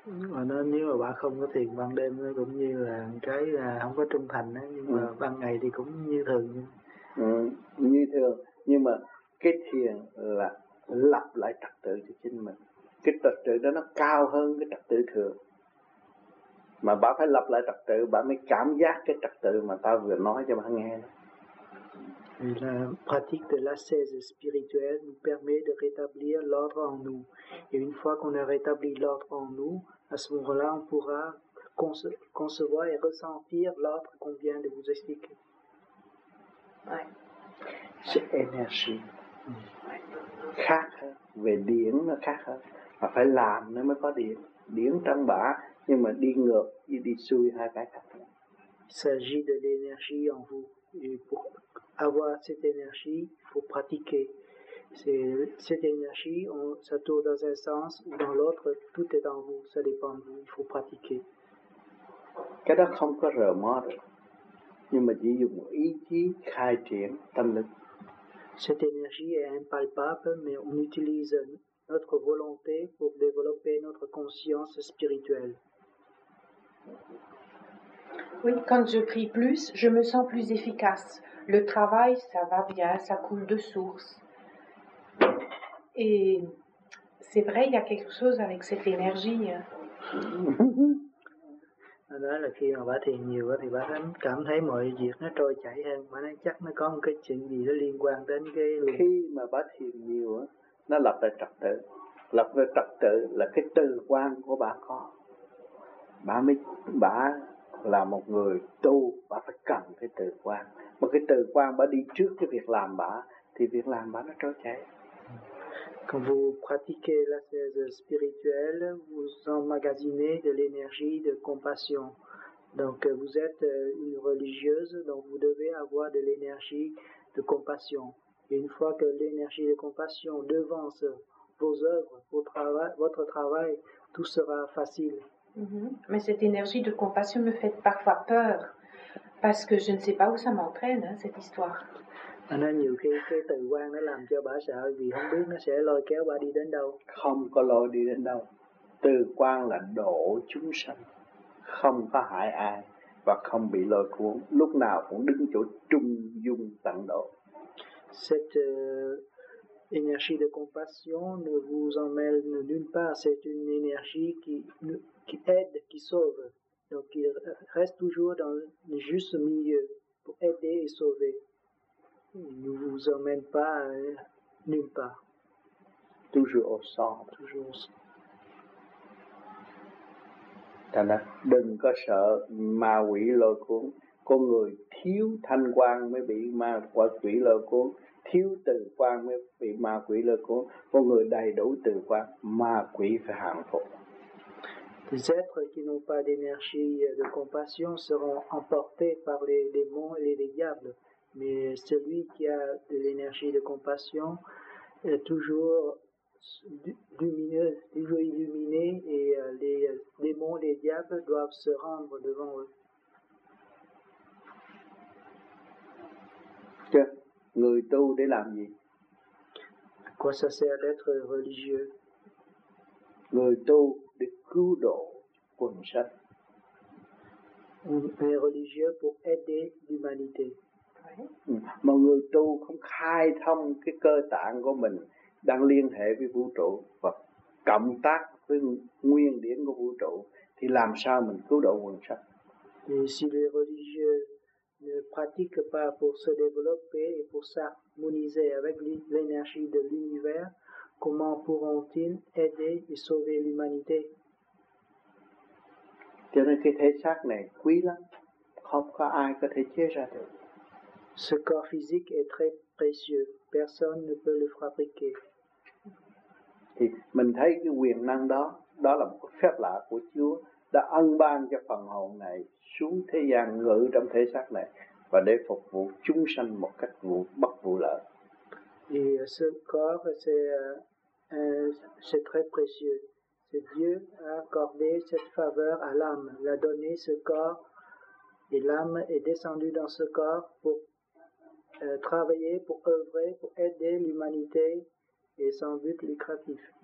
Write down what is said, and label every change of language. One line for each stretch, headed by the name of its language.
Vietnamese: Mà nó nếu mà bà không có thiền ban đêm nó cũng như là cái là không có trung thành á, nhưng mà ban ngày thì cũng như thường. Ừ, như thường, nhưng mà cái thiền là lập lại trật tự cho chính mình. Cái trật tự đó nó cao hơn cái trật tự thường. Mà bà phải lập lại trật tự, bà mới cảm giác cái trật tự mà ta vừa nói cho bà nghe đó.
French: La pratique de l'ascèse spirituelle nous permet de rétablir l'ordre en nous. Et une fois qu'on a rétabli l'ordre en nous, à ce moment-là, on pourra concevoir et ressentir l'ordre qu'on vient de vous expliquer. Ouais. C'est énergie.
Vietnamese: Khác về điển nó khác hơn. Mà phải làm nó mới có điển. Điển trong bả, nhưng mà đi ngược, đi xuôi hai cái khác.
French: Il s'agit de l'énergie en vous. Et pour avoir cette énergie, il faut pratiquer. C'est, cette énergie, ça tourne dans un sens ou dans l'autre, tout est en vous, ça dépend de vous, il faut pratiquer.
Vietnamese: Cái đó không có rờ mó được, nhưng mà chỉ dùng ý chí khai triển tâm lực.
French: Cette énergie est impalpable, mais on utilise notre volonté pour développer notre conscience spirituelle. Oui, quand je prie plus, je me sens plus efficace. Le travail, ça va bien, ça coule de source. Et c'est vrai, il y a quelque chose avec cette énergie. Alors, là,
Vietnamese: khi mà bà thiền nhiều quá thì bà cảm thấy mọi việc nó trôi chảy hơn, mà nó chắc nó có một cái chuyện gì đó liên quan đến cái. Khi mà bà thiền nhiều nó lập lại trật tự. Lập lại trật tự là cái tư quan của bà có. Bà mới, bà là một người tu, bà phải cần cái tư quan. Mà cái tư quan bà đi trước cái việc làm bà, thì việc làm bà nó trôi chảy.
French: Quand vous pratiquez la thèse spirituelle, vous emmagasinez de l'énergie de compassion. Donc vous êtes une religieuse, donc vous devez avoir de l'énergie de compassion. Et une fois que l'énergie de compassion devance vos œuvres, votre travail, tout sera facile. Mm-hmm. Mais cette énergie de compassion me fait parfois peur, parce que je ne sais pas où ça m'entraîne, hein, cette histoire.
Vietnamese: Anh nói nhiều khi cái từ quan nó làm cho bà sợ vì không biết nó sẽ lôi kéo bà đi đến đâu. Không có lôi đi đến đâu. Từ quan là độ chúng sanh, không có hại ai và không bị lôi cuốn, lúc nào cũng đứng chỗ trung dung tận độ.
French: Cette énergie de compassion ne vous emmène nulle part, c'est une énergie qui aide, qui sauve. Donc il reste toujours dans le juste milieu pour aider et sauver. Il ne vous emmène pas nulle part. Toujours au centre. Toujours au centre.
Vietnamese: Đừng có sợ ma quỷ lôi cuốn. Con người thiếu thanh quang mới bị ma quỷ lôi cuốn. Thiếu từ quang mới bị ma quỷ lôi cuốn. Con người đầy đủ từ quang, ma quỷ phải hạng phục.
French: Les êtres qui n'ont pas d'énergie de compassion seront emportés par les démons et les diables. Mais celui qui a de l'énergie de compassion est toujours lumineux, toujours illuminé, et les démons, les diables doivent se rendre devant eux.
Vietnamese: Người tu để làm gì?
French: À quoi ça sert d'être religieux?
Vietnamese: Người tu để cứu độ quần sanh.
French: Un religieux pour aider l'humanité.
Vietnamese: Mà người tu không khai thông cái cơ tạng của mình đang liên hệ với vũ trụ và cộng tác với nguyên điển của vũ trụ thì làm sao mình cứu độ quần sanh?
French: Et si les religieux ne pratiquent pas pour se développer et pour s'harmoniser avec l'énergie de l'univers, comment pourront-ils aider et sauver l'humanité?
Vietnamese: Cho nên cái thể xác này quý lắm, không có ai có thể chế ra được.
French: Ce corps physique est très précieux. Personne ne peut le fabriquer.
Vietnamese: Thì mình thấy cái quyền năng đó, đó là một phép lạ của Chúa đã ân ban cho phần hồn này xuống thế gian ngự trong thể xác này và để phục vụ chúng sanh một cách bất vụ lợi.
French: Et ce corps c'est très précieux. C'est Dieu a accordé cette faveur à l'âme, l'a donné ce corps et l'âme est descendue dans ce corps pour travailler, pour œuvrer, pour aider l'humanité et sans but lucratif.